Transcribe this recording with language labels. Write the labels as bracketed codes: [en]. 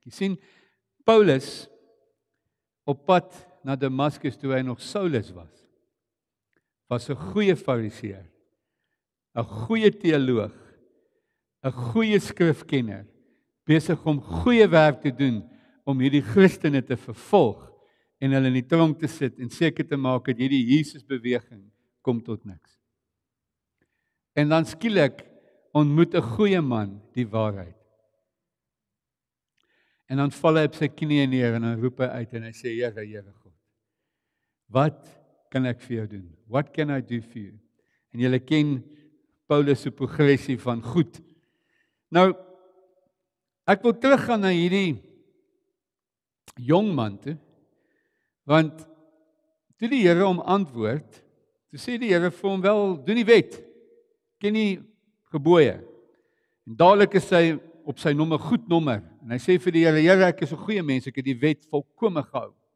[af] Jy sien, Paulus, op pad na Damascus, toe hy nog Saulus was, was 'n goeie fariseer, 'n goeie teoloog, 'n goeie skrifkenner, besig om goeie werk te doen, om hierdie Christene te vervolg en hulle in die tronk te sit en seker te maak dat hierdie Jesusbeweging kom tot niks. En dan skielik ontmoet 'n goeie man die waarheid. En dan val hy op sy knieë neer en dan roep hy uit en hy sê, Here, Here God, wat kan ek vir jou doen? [en] What can I do for you? [af] En julle ken Paulus se progressie van goed. Nou, ek wil teruggaan na hierdie jongman toe, want toe die Here om antwoord, toe sê die Here vir hom wel, doen die wet, ken die gebooie, en dadelik is hy op sy nommer, goed nommer, en hy sê vir die Here, Here, ek is 'n goeie mens, ek het die wet volkome gehou,